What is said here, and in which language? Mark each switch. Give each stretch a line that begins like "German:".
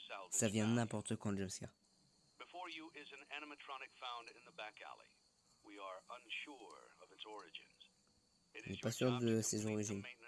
French: Ça vient n'importe quand, James Carr.
English: Before you is an animatronic found in the back alley. We are unsure of its origins. It is
French: pas sûr de ses origines.